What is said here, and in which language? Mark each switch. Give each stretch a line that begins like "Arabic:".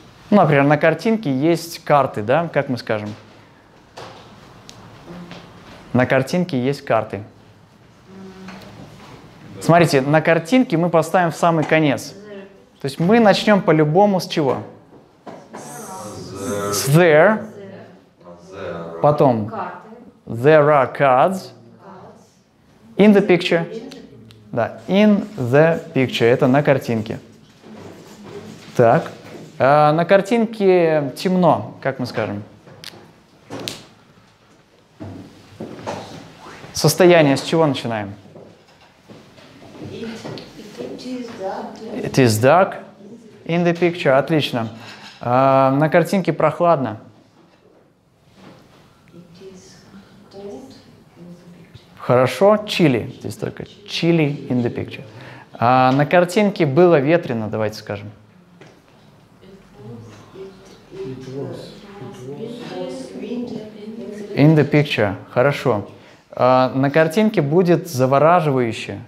Russian: Ну, например, на картинке есть карты, да? Как мы скажем? На картинке есть карты. Смотрите, на картинке мы поставим в самый конец. То есть мы начнем по-любому с чего? С
English: there. Потом there are cards. In the picture. Да, in the picture.
Russian: Это на картинке. Так. На картинке темно, как мы скажем. Состояние с чего начинаем?
English: It is dark. It is dark in the picture.
Russian: Отлично. На картинке прохладно. Хорошо, chilly.
English: Здесь только chilly in the picture.
Russian: А на картинке было ветрено, давайте скажем.
English: It was. In the picture. Хорошо.
Russian: На картинке будет завораживающе.